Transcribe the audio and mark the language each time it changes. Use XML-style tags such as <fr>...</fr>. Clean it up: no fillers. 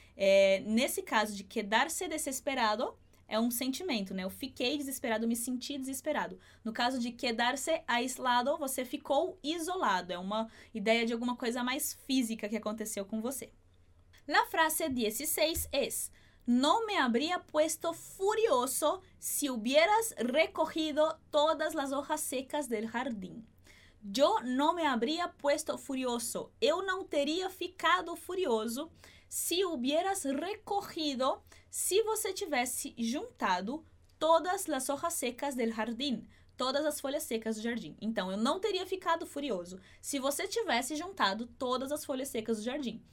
<pt>É, nesse caso de quedarse desesperado, é um sentimento, né? Eu fiquei desesperado, me senti desesperado. No caso de quedarse aislado, você ficou isolado. É uma ideia de alguma coisa mais física que aconteceu com você. Na frase 16 é...</pt> <es>No me habría puesto furioso si hubieras recogido todas las hojas secas del jardín. Yo no me habría puesto furioso.</es> <pt>Eu não teria ficado furioso</pt> <es>si hubieras recogido,</es> <pt>se você tivesse juntado</pt> <es>todas las hojas secas del jardín.</es> <pt>Todas as folhas secas do jardim. Então, eu não teria ficado furioso se você tivesse juntado todas as folhas secas do jardim.</pt>